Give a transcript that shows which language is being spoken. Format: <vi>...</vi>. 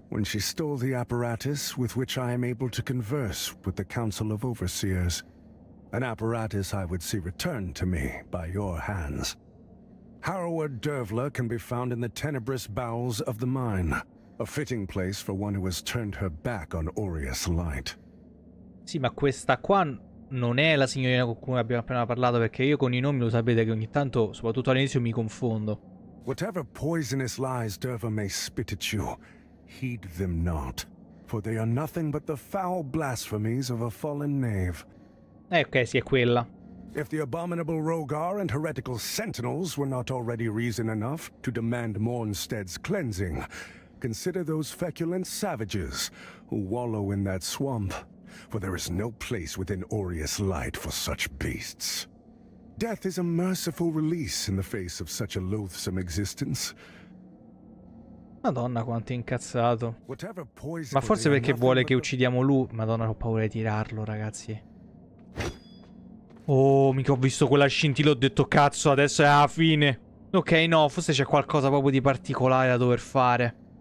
<en>When she stole the apparatus with which I am able to converse with the Council of Overseers, an apparatus I would see returned to me by your hands. Harroward Dervla can be found in the tenebrous bowels of the mine, a fitting place for one who has turned her back on Aureus Light.</en> <it>Sì, ma questa qua non è la signorina con cui abbiamo appena parlato, perché io con i nomi lo sapete che ogni tanto, soprattutto all'inizio, mi confondo.</it> <en>Whatever poisonous lies Derva may spit at you, heed them not, for they are nothing but the foul blasphemies of a fallen knave.</en> <it>Ok, sì, è quella.</it> <en>If the abominable Rogar and heretical sentinels were not already reason enough to demand Mornstead's cleansing, consider those feculent savages who wallow in that swamp, for there is no place within Aureus Light for such beasts. Death is a merciful release in the face of such a loathsome existence.</en> <it>Madonna, quanto è incazzato. Ma forse perché vuole che uccidiamo lui. Madonna, ho paura di tirarlo, ragazzi. Oh, mica ho visto quella scintilla, ho detto cazzo, adesso è la fine. Ok, no, forse c'è qualcosa proprio di particolare da dover fare.</it>